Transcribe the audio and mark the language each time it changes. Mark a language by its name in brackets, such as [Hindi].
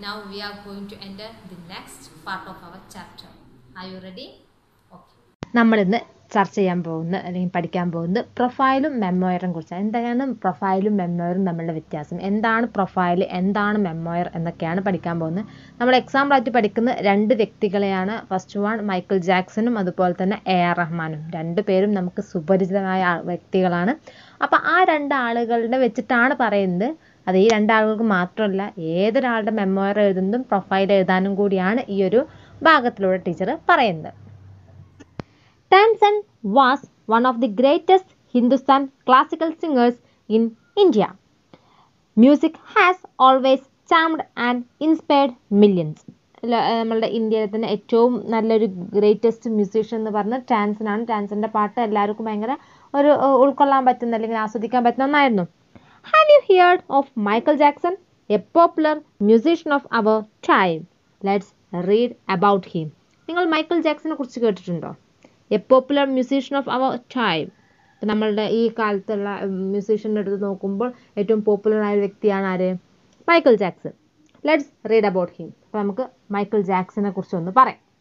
[English] we are going to enter the next part of our chapter. Are you ready? Okay. [Malayalam] നമ്മളിന്ന് ചർച്ച ചെയ്യാൻ പോകുന്ന അല്ലെങ്കിൽ പഠിക്കാൻ പോകുന്നത് പ്രൊഫൈലും മെമ്മോയറും കുറിച്ചാണ്. എന്തായാലും പ്രൊഫൈലും മെമ്മോയറും നമ്മളുടെ വ്യത്യാസം, എന്താണ് പ്രൊഫൈൽ എന്താണ് മെമ്മോയർ എന്നൊക്കെയാണ് പഠിക്കാൻ പോകുന്നത്. നമ്മൾ എക്സാമ്പിളായിട്ട് പഠിക്കുന്ന രണ്ട് വ്യക്തികളെയാണ്, ഫസ്റ്റ് വൺ മൈക്കിൾ ജാക്സണും അതുപോലെ തന്നെ എ ആർ റഹ്മാനും. രണ്ട് പേരും നമുക്ക് സുപരിചിതമായ വ്യക്തികളാണ്. അപ്പം ആ രണ്ടാളുകളുടെ വെച്ചിട്ടാണ് പറയുന്നത്. അത് ഈ രണ്ടാളുകൾക്ക് മാത്രമല്ല, ഏതൊരാളുടെ മെമ്മോയർ എഴുതുന്നതും പ്രൊഫൈൽ എഴുതാനും കൂടിയാണ് ഈ ഒരു ഭാഗത്തിലൂടെ ടീച്ചർ പറയുന്നത്. [English] Tansen was one of the greatest Hindustan classical singers in India. Music has always charmed and inspired millions. [Malayalam] നമ്മളുടെ ഇന്ത്യയിലെ തന്നെ ഏറ്റവും നല്ലൊരു ഗ്രേറ്റസ്റ്റ് മ്യൂസീഷ്യൻ എന്ന് പറഞ്ഞ ടാൻസൻ ആണ്. ടാൻസന്റെ പാട്ട് എല്ലാവർക്കും ഭയങ്കര ഒരു ഉൾക്കൊള്ളാൻ പറ്റുന്ന അല്ലെങ്കിൽ ആസ്വദിക്കാൻ പറ്റുന്ന ഒന്നായിരുന്നു. [English] Have you heard of Michael Jackson, a popular musician of our time? Let's read about him. [Malayalam] നിങ്ങൾ മൈക്കിൾ ജാക്സനെ കുറിച്ച് കേട്ടിട്ടുണ്ടോ? [English] A popular musician of our time. [Malayalam] ഇപ്പം നമ്മളുടെ ഈ കാലത്തുള്ള മ്യൂസീഷ്യൻ്റെ അടുത്ത് നോക്കുമ്പോൾ ഏറ്റവും പോപ്പുലറായ വ്യക്തിയാണ് ആര്? Michael Jackson. [English] Let's read about him. [Malayalam] അപ്പം നമുക്ക് മൈക്കിൾ ജാക്സനെ കുറിച്ച് ഒന്ന് പറയാം.